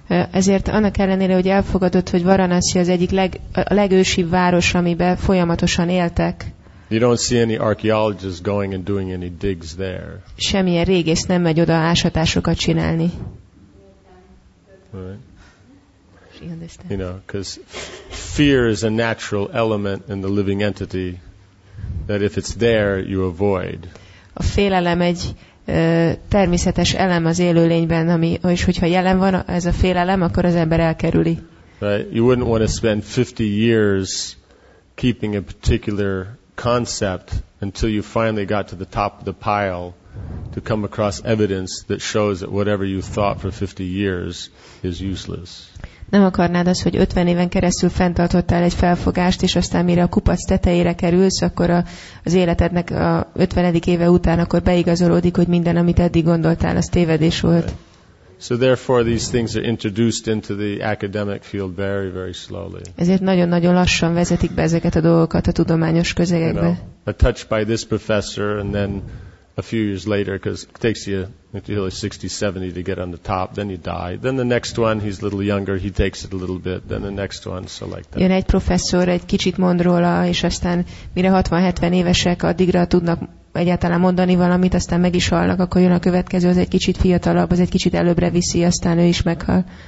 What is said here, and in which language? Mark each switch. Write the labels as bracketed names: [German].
[Hungarian] Ezért annak ellenére, hogy elfogadott, hogy Varanasi az egyik legősibb város, amiben folyamatosan éltek. [English] You don't see any archaeologists going and doing any digs there. [Hungarian] Semmilyen régész nem megy oda ásatásokat csinálni. [English] You know, because fear is a natural element in the living entity that if it's there, you avoid. [Hungarian] A félelem egy természetes elem az élőlényben, ami, és hogyha jelen van ez a félelem, akkor az ember elkerüli. [English] Right? You wouldn't want to spend 50 years keeping a particular concept until you finally got to the top of the pile to come across evidence that shows that whatever you thought for 50 years is useless. [Hungarian] Nem akarnád az, hogy 50 éven keresztül fenntartottál egy felfogást, és aztán mire a kupac tetejére kerülsz, akkor az életednek a 50. éve után akkor beigazolódik, hogy minden, amit eddig gondoltál, az tévedés volt. [English] So therefore these things are introduced into the academic field very, very slowly. [Hungarian] Ezért nagyon-nagyon lassan vezetik be ezeket a dolgokat a tudományos közegekbe. [English] A touch by this professor and then a few years later, because it takes you until 60-70 to get on the top, then you die. Then the next one, he's a little younger, he takes it a little bit, then the next one, so like that. [Hungarian] Jön egy professzor, egy kicsit mond róla, és aztán mire 60-70 évesek, addigra tudnak egyáltalán mondani valamit, aztán meg is halnak, akkor jön a következő, az egy kicsit fiatalabb, az egy kicsit előbbre viszi, aztán ő is meghal.